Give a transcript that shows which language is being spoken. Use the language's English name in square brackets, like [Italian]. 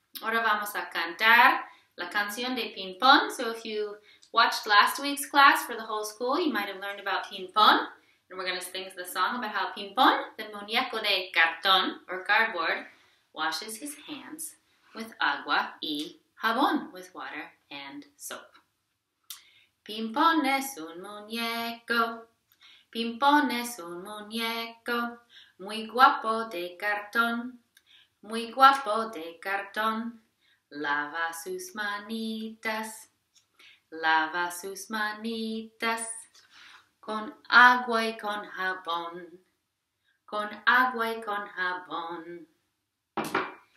[Spanish] Ahora vamos a cantar la canción de ping pong. [English] So if you watched last week's class for the whole school, you might have learned about ping pong. And we're going to sing the song about how Pimpón, the [Spanish] muñeco de cartón [English] or cardboard, washes his hands with [Spanish] agua y jabón, [English] with water and soap. [Spanish] Pimpón es un muñeco, Pimpón es un muñeco, muy guapo de cartón, lava sus manitas, con agua y con jabón, con agua y con jabón.